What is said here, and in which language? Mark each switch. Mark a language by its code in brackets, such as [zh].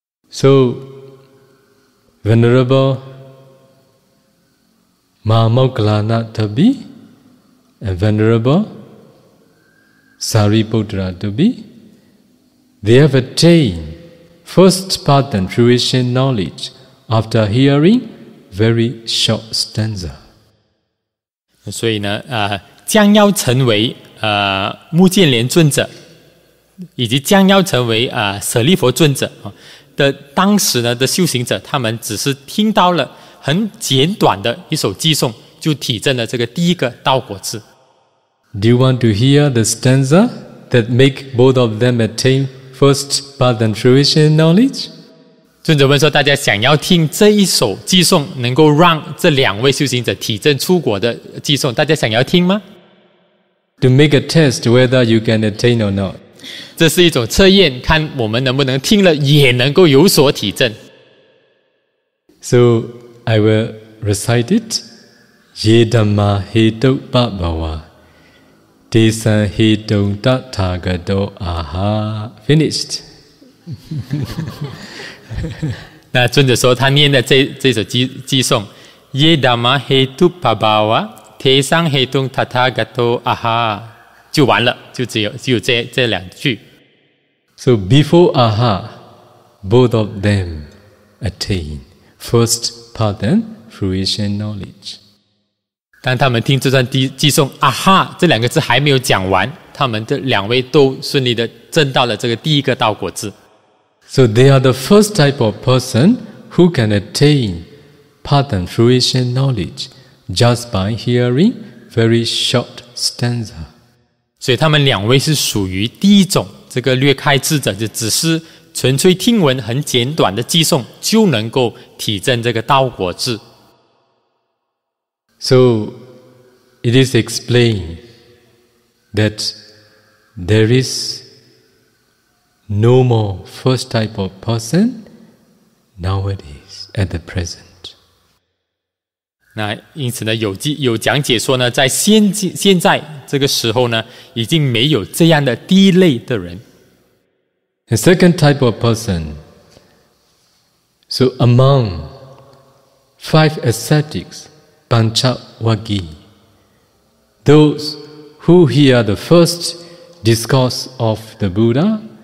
[en] So, Venerable Mahamoggallana Thabi and Venerable Sariputra Thabi, they have attained first path and fruition knowledge. After hearing very short stanza. [zh] 所以呢将要成为目犍连尊者以及将要成为舍利佛尊者的当时呢的修行者，他们只是听到了很简短的一首偈颂，就体证了这个第一个道果智。 [en] Do you want to hear the stanza that make both of them attain first path and fruition knowledge? [zh] 尊者问说，大家想要听这一首偈颂能够让这两位修行者体证出果的偈颂，大家想要听吗？ [en] To make a test whether you can attain or not. [zh] 这是一种测验，看我们能不能听了也能够有所体证。 [en] So I will recite it. [pi] Ye dhamma hetu bhavava Desan hetu tathagato aha [en] Finished. [zh] 那尊者说，他念的这首偈颂，耶达玛嘿杜帕巴瓦，提桑嘿东塔塔嘎多啊哈，就完了，就只有这两句。 [en] So before aha, both of them attain first path and fruition knowledge. [zh] 当他们听这段偈颂，啊哈，这两个字还没有讲完，他们这两位都顺利的证到了这个第一个道果智。 [en] So they are the first type of person who can attain path and fruition knowledge just by hearing very short stanza. [zh] 所以他们两位是属于第一种，这个略开智者，就只是纯粹听闻很简短的偈颂，就能够体证这个道果智。 [en] So it is explained that there isNo more first type of person nowadays at the present. [zh] 那因此呢，有讲解说呢，在现在这个时候呢，已经没有这样的第一类的人。 [en] The second type of person. So among five ascetics, Panchavagi, those who hear the first discourse of the Buddha.